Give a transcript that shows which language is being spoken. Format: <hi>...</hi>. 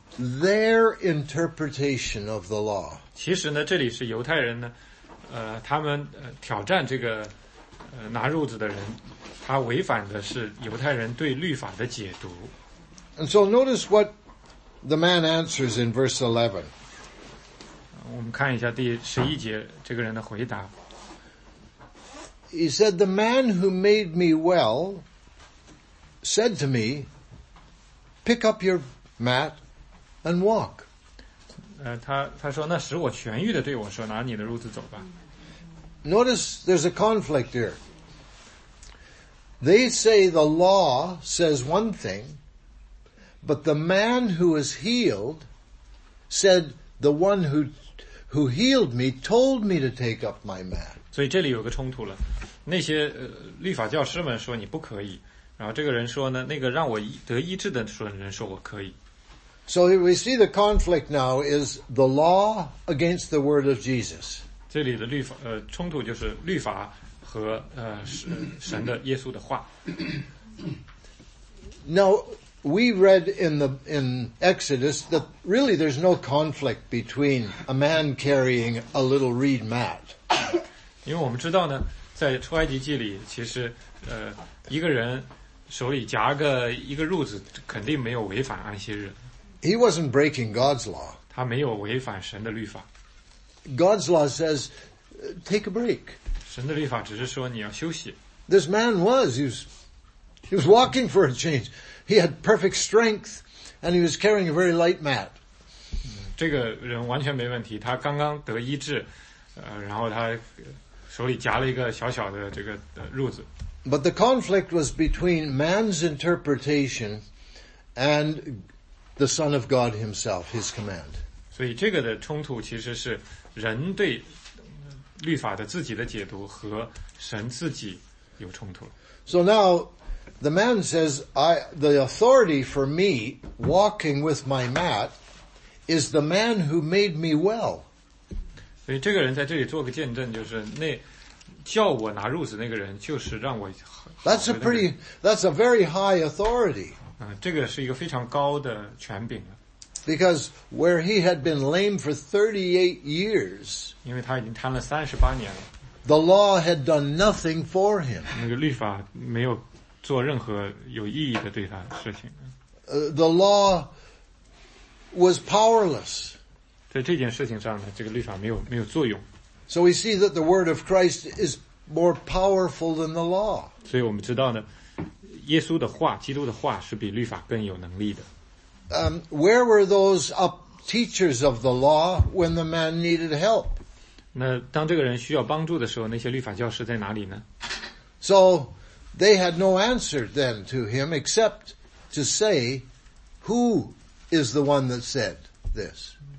<en>Their interpretation of the law.</en> <zh>其实呢，这里是犹太人呢，他们挑战这个拿褥子的人，他违反的是犹太人对律法的解读。</zh> <en>And so notice what the man answers in verse 11.</en> <zh>我们看一下第十一节这个人的回答。</zh> <en>He said, the man who made me well said to me, pick up your mat and walk.</en> <zh>他说那使我痊愈的对我说拿你的褥子走吧。</zh> <en>Notice there's a conflict here. They say the law says one thing, but the man who was healed said the one who healed me told me to take up my mat.</en> <zh>所以这里有个冲突了。那些律法教师们说你不可以，然后这个人说呢，那个让我得医治的人说我可以。</zh> <en>So we see the conflict now is the law against the word of Jesus.</en> <zh>这里的律法冲突就是律法和神的耶稣的话。</zh> <en>Now we read in Exodus that really there's no conflict between a man carrying a little reed mat.</en> <zh>因为我们知道呢，在出埃及记里，其实一个人手里夹个一个褥子，肯定没有违反安息日。</zh> <en>He wasn't breaking God's law.</en> <zh>他没有违反神的律法。</zh> <en>God's law says, take a break.</en> <zh>神的律法只是说你要休息。</zh> <en>This man was, he was walking for a change. He had perfect strength, and he was carrying a very light mat.</en> <zh>这个人完全没问题，他刚刚得医治，然后他手里夹了一个小小的这个褥子。</zh> <en>But the conflict was between man's interpretation and the Son of God himself, his command.</en> <zh>所以这个的冲突其实是人对律法的自己的解读和神自己有冲突。</zh> <en>So now, the man says, the authority for me walking with my mat is the man who made me well.</en> <zh>所以这个人在这里做个见证，就是那叫我拿褥子那个人就是让我好的那个人。</zh> <en>That's a very high authority.</en> <zh>这个是一个非常高的权柄。</zh> <en>Because where he had been lame for 38 years,</en> <zh>因为他已经瘫了38年了。</zh> <en>The law had done nothing for him.</en> <zh>那个律法没有做任何有意义的对他的事情。</zh> <en>The law was powerless.</en> <zh>在这件事情上呢，这个律法没有作用。</zh> <en>So we see that the word of Christ is more powerful than the law.</en> <zh>所以我们知道呢，耶稣的话，基督的话是比律法更有能力的。</zh> <en>Where were those up teachers of the law when the man needed help?</en> <zh>那当这个人需要帮助的时候，那些律法教师在哪里呢？</zh> <en>So they had no answer then to him except to say, "Who is the one that said this?"</en>